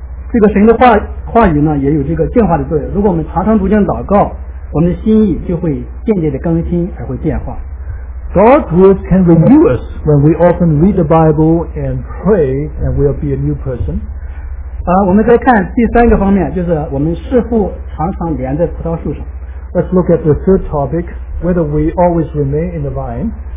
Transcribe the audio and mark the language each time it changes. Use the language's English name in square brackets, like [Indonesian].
[Chinese] 这个神的话语呢，也有这个净化的作用。如果我们常常逐渐祷告，我们的心意就会渐渐的更新，而会变化。 [English] God's word can renew us when we often read the Bible and pray, and we'll be a new person. [Chinese] 我们再看第三个方面，就是我们是否常常连在葡萄树上。 [English] Let's look at the third topic, whether we always remain in the vine.